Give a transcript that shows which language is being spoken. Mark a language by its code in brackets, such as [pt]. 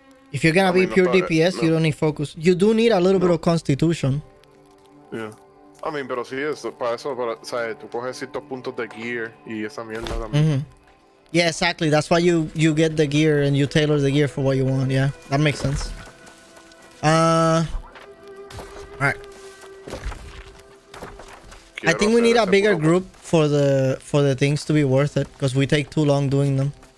[en] If you're gonna be pure DPS, you don't need focus. You do need a little bit of constitution. [es] Yeah. I mean, pero si es para eso, para, sabes, tú coges ciertos puntos de gear y esa mierda también. [en] Mm-hmm. Yeah, exactly. That's why you get the gear and you tailor the gear for what you want. Yeah, that makes sense. Alright. I think we need a bigger group for the things to be worth it, because we take too long doing them.